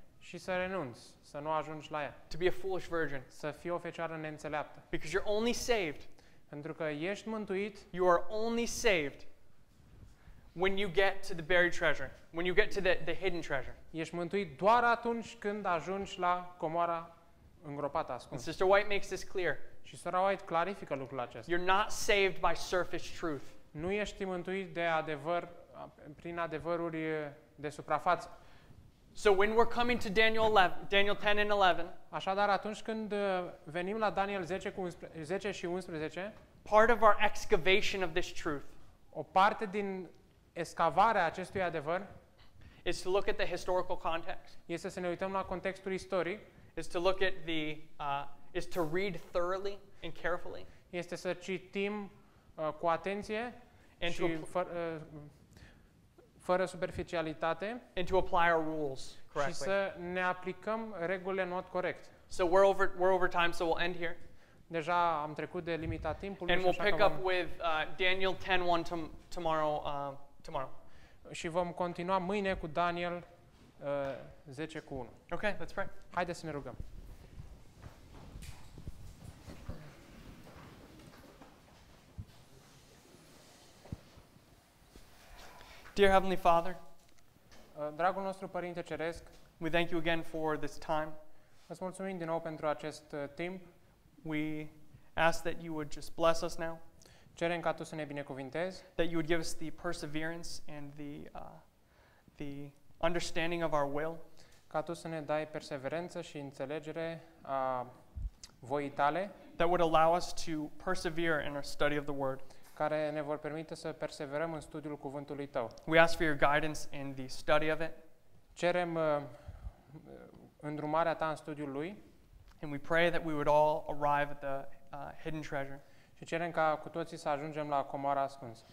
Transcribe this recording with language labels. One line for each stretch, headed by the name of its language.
Romanian: Și să renunți, să nu ajungi la ea.
English: To be a foolish virgin.
Romanian: Să fii o fecioară neînțeleaptă.
English: Because you're only saved.
Romanian: Pentru că ești mântuit.
English: You are only saved when you get to the buried treasure, when you get to the hidden treasure.
Romanian: Ești mântuit doar atunci când ajungi la comoara îngropată ascunsă.
English: And Sister White makes this clear.
Romanian: Și Sora White clarifică lucrul acesta.
English: You're not saved by surface truth.
Romanian: Nu ești mântuit de adevăr prin adevăruri de suprafață.
English: So when we're coming to Daniel 10 and 11.
Romanian: Așadar, atunci când venim la Daniel 10 cu 10 și 11,
English: part of our excavation of this truth.
Romanian: O parte din excavarea acestui adevăr
English: is to look at the historical context.
Romanian: Este să ne uităm la contextul istoric,
English: is to look at the is to read thoroughly and carefully.
Romanian: Este să citim cu atenție and și fără superficialitate,
English: and to apply our rules correctly.
Romanian: Și să ne aplicăm regulile în mod corect.
English: So we're over time, so we'll end here.
Romanian: Deja am trecut de limita timpului.
English: And we'll pick up with Daniel 10:1 tomorrow.
Romanian: Și vom continua mâine cu Daniel 10:1.
English: Okay, let's pray.
Romanian: Haideți să ne rugăm.
English: Dear Heavenly Father,
Romanian: dragul nostru Părinte Ceresc,
English: we thank you again for this time.
Romanian: Vă mulțumim din nou pentru acest timp.
English: We ask that you would just bless us now.
Romanian: Cerem ca tu să ne binecuvintezi.
English: That you would give us the perseverance and the understanding of our will.
Romanian: Ca tu să ne dai perseverență și înțelegere a voii tale.
English: That would allow us to persevere in our study of the word.
Romanian: Care ne vor permite să perseverăm în studiul cuvântului tău.
English: We ask for your guidance in the study of it.
Romanian: Cerem îndrumarea ta în studiul lui.
English: And we pray that we would all arrive at the hidden treasure.
Romanian: Și cerem ca cu toții să ajungem la comoara ascunsă.